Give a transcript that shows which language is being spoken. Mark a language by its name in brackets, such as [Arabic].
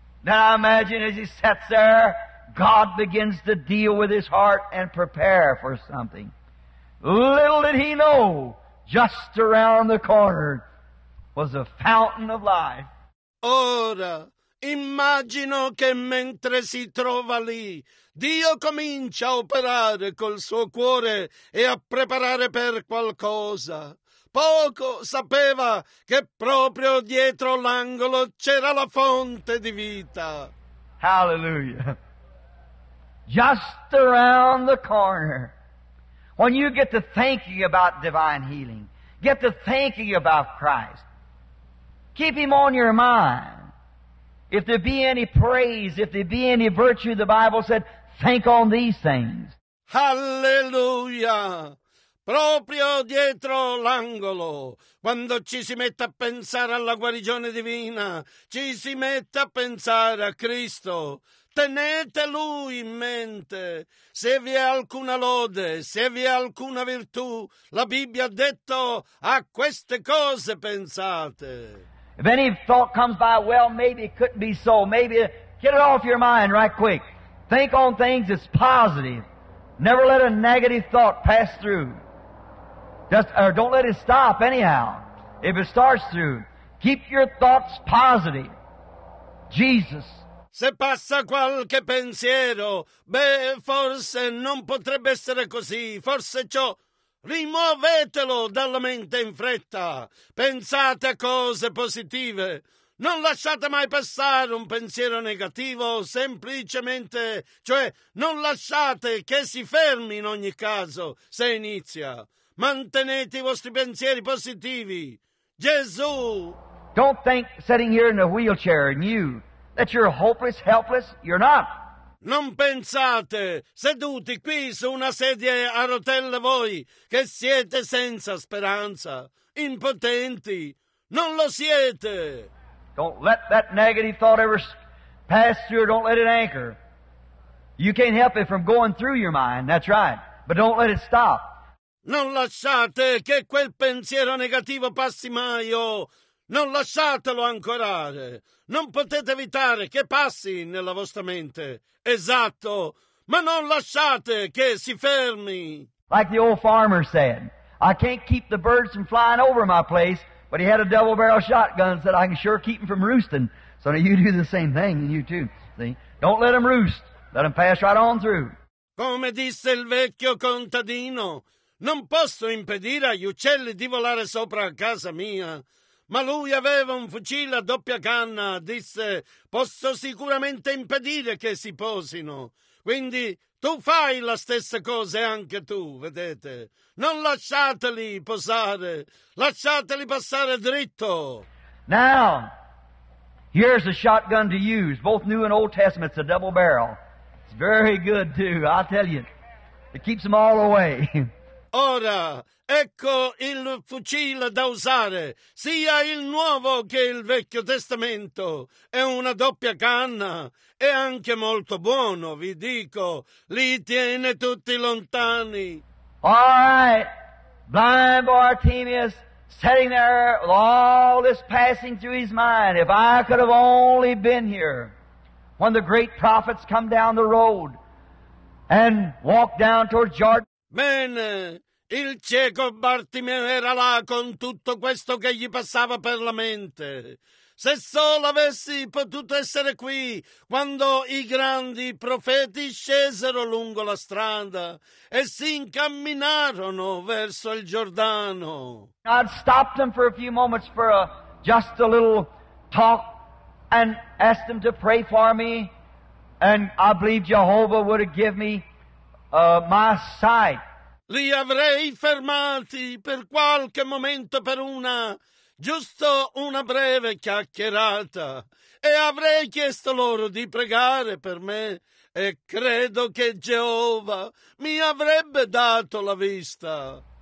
[English] Now imagine as he sits there, God begins to deal with his heart and prepare for something. Little did he know, just around the corner was a fountain of life. [Italian] Ora, immagino che mentre si trova lì, Dio comincia a operare col suo cuore e a preparare per qualcosa. Poco sapeva che proprio dietro l'angolo c'era la fonte di vita. [English] Hallelujah. just around the corner. When you get to thinking about divine healing, get to thinking about Christ, keep Him on your mind. If there be any praise, if there be any virtue, the Bible said, think on these things. Hallelujah! [Italian] Proprio dietro l'angolo, quando ci si mette a pensare alla guarigione divina, ci si mette a pensare a Cristo. Tenete Lui in mente. Se vi è alcuna lode, se vi è alcuna virtù, la Bibbia ha detto, a queste cose pensate. [English] If any thought comes by, well, maybe it couldn't be so. Maybe get it off your mind right quick. Think on things that's positive. Never let a negative thought pass through. Just, or don't let it stop anyhow. If it starts through, keep your thoughts positive. Jesus. [Italian] Se passa qualche pensiero, beh, forse non potrebbe essere così, forse ciò, rimuovetelo dalla mente in fretta, pensate a cose positive, non lasciate mai passare un pensiero negativo, semplicemente, cioè, non lasciate che si fermi in ogni caso, se inizia, mantenete i vostri pensieri positivi, Gesù! [English] Don't think sitting here in a wheelchair and you... that you're hopeless, helpless, you're not. [Italian] Non pensate, seduti qui su una sedia a rotelle voi, che siete senza speranza, impotenti, non lo siete. [English] Don't let that negative thought ever pass through, don't let it anchor. You can't help it from going through your mind, that's right, but don't let it stop. [Italian] Non lasciate che quel pensiero negativo passi mai, oh. Non lasciatelo ancorare. Non potete evitare che passi nella vostra mente. Esatto. Ma non lasciate che si fermi. [English] Like the old farmer said, I can't keep the birds from flying over my place, but he had a double barrel shotgun and said, I can sure keep them from roosting. So now you do the same thing, and you too. See? Don't let them roost. Let them pass right on through. [Italian] Come disse il vecchio contadino, non posso impedire agli uccelli di volare sopra casa mia. Ma lui aveva un fucile a doppia canna, disse, posso sicuramente impedire che si posino. Quindi tu fai la stessa cosa anche tu, vedete. Non lasciateli posare, lasciateli passare dritto. [English] Now, here's a shotgun to use, both New and Old Testament, it's a double barrel. It's very good too, I tell you. It keeps them all away. [Italian] Ora, ecco il fucile da usare, sia il Nuovo che il Vecchio Testamento. È una doppia canna, è anche molto buono, vi dico. Li tiene tutti lontani. [English] All right, blind Bartimaeus, sitting there with all this passing through his mind. If I could have only been here when the great prophets come down the road and walk down towards Jordan. [Italian] Bene, il cieco Bartimeo era là con tutto questo che gli passava per la mente. Se solo avessi potuto essere qui quando i grandi profeti scesero lungo la strada e si incamminarono verso il Giordano. [English] I'd stopped them for a few moments for just a little talk and asked them to pray for me, and I believe Jehovah would have given me my sight. [Italian] Li avrei fermati per qualche momento per una, giusto una breve chiacchierata, e avrei chiesto loro di pregare per me, e credo che Geova mi avrebbe dato la vista.